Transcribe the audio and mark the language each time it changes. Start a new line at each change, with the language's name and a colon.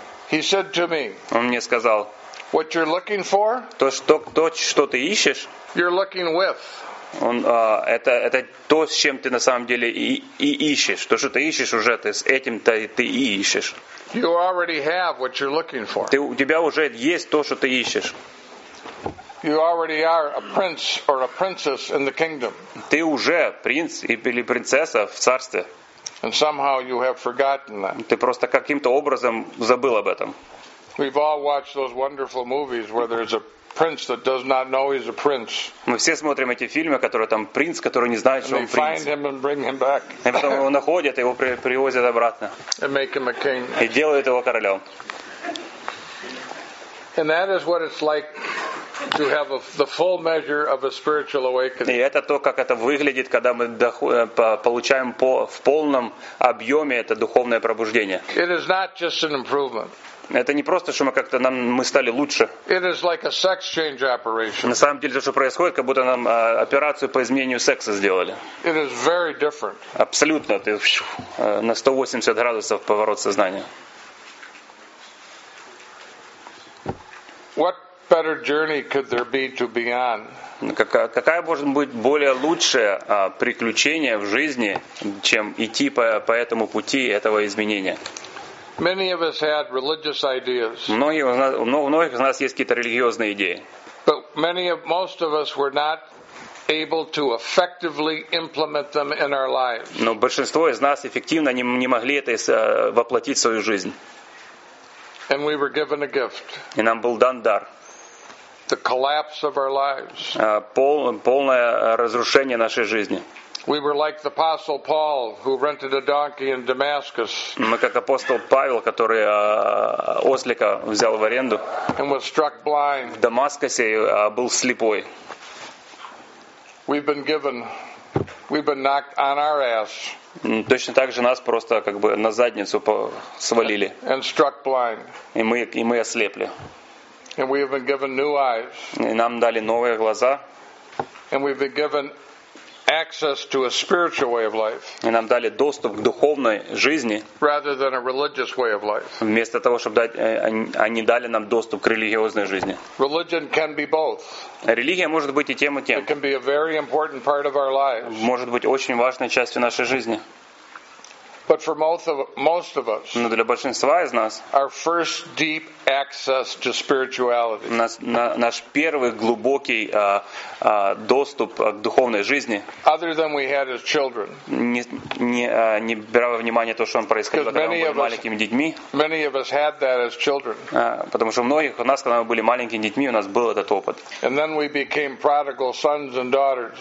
English: He said to me.
Russian: Он мне сказал.
English: What you're looking for?
Russian: То, что ты ищешь?
English: You're looking with.
Russian: Это то, с чем ты на самом деле и ищешь. То, что ты ищешь уже, ты с этим-то ты и ищешь.
English: You already have what you're looking for.
Russian: У тебя уже есть то, что ты ищешь.
English: You already are a prince or a princess in the kingdom.
Russian: Ты уже принц или принцесса в царстве.
English: And somehow you have forgotten that.
Russian: Ты просто каким-то образом забыл об этом.
English: We've all watched those wonderful movies where there's a prince that does not know he's a prince.
Russian: Мы все смотрим эти фильмы, которые там принц, который не знает, что он принц.
English: And they find him and bring him back.
Russian: И потом его находят, его привозят обратно.
English: And make him a king.
Russian: И делают его королем.
English: And that is what it's like to have the full measure of a spiritual awakening.
Russian: И это то, как это выглядит, когда мы получаем в полном объеме это духовное пробуждение.
English: It is not just an improvement.
Russian: Это не просто, что мы стали лучше.
English: It is like a sex change operation.
Russian: На самом деле, то, что происходит, как будто нам операцию по изменению секса сделали.
English: It is very different.
Russian: Абсолютно, ты на 180 градусов поворот сознания.
English: What better journey could there be to beyond?
Russian: Какая может быть более лучшее приключение в жизни, чем идти по этому пути этого изменения?
English: Many of us had religious ideas.
Russian: Многих из нас есть какие-то религиозные идеи.
English: But most of us were not able to effectively implement them in our lives.
Russian: Но большинство из нас эффективно не могли это воплотить в свою жизнь.
English: And we were given a gift.
Russian: И нам был дан дар.
English: The collapse of our lives.
Russian: Полное разрушение нашей жизни.
English: We were like the apostle Paul, who rented a donkey in Damascus.
Russian: Мы как апостол Павел, который ослика взял в аренду.
English: And was struck blind.
Russian: В Дамаскусе был слепой.
English: We've been knocked on our ass.
Russian: Точно так же нас просто как бы на задницу свалили.
English: And struck blind.
Russian: И мы ослепли.
English: And we have been given new eyes.
Russian: И нам дали новые глаза.
English: And we've been given access to a spiritual way of life.
Russian: И нам дали доступ к духовной жизни.
English: Rather than a religious way of life.
Russian: Вместо того, чтобы они дали нам доступ к религиозной жизни.
English: Religion can be both.
Russian: Религия может быть и тем, и тем.
English: It can be a very important part of our lives.
Russian: Может быть очень важной частью нашей жизни.
English: But for most of us,
Russian: но для большинства из нас,
English: our first deep access to spirituality,
Russian: наш первый глубокий доступ к духовной жизни,
English: other than we had as children,
Russian: не брало внимание то, что он происходил, когда мы были маленькими детьми,
English: many of us had that as children,
Russian: потому что многих у нас, когда мы были маленькими детьми, у нас был этот опыт,
English: and then we became prodigal sons and daughters,